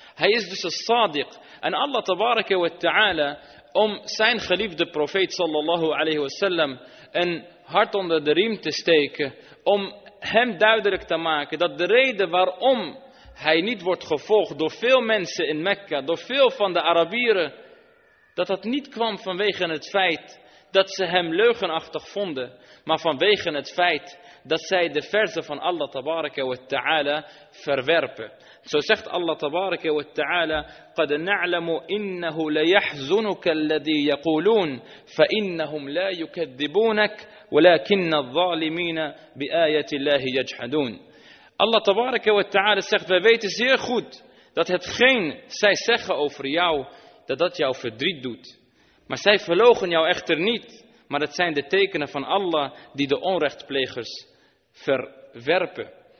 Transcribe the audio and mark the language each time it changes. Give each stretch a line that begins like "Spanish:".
Dutch: Hij is dus een sadiq. En Allah tabaraka wa ta'ala, om zijn geliefde profeet sallallahu alayhi wasallam een hart onder de riem te steken, om hem duidelijk te maken dat de reden waarom hij niet wordt gevolgd door veel mensen in Mekka, door veel van de Arabieren, dat dat niet kwam vanwege het feit dat ze hem leugenachtig vonden, maar vanwege het feit dat zij de verzen van Allah tabaraka wa ta'ala verwerpen. Zo zegt
Arabic: Allah tabaraka wa ta'ala, قَدْ نَعْلَمُ إِنَّهُ لَيَحْزُنُكَ الَّذِي يَقُولُونَ فَإِنَّهُمْ لَا يُكَذِّبُونَكَ وَلَكِنَّ الظَّالِمِينَ بِآيَةِ اللَّهِ يَجْحَدُونَ.
Dutch: Allah tabaraka wa ta'ala zegt, wij weten zeer goed dat hetgeen zij zeggen over jou, dat dat jou verdriet doet. Maar zij verlogen jou echter niet, maar het zijn de tekenen van Allah die de onrechtplegers verwerpen.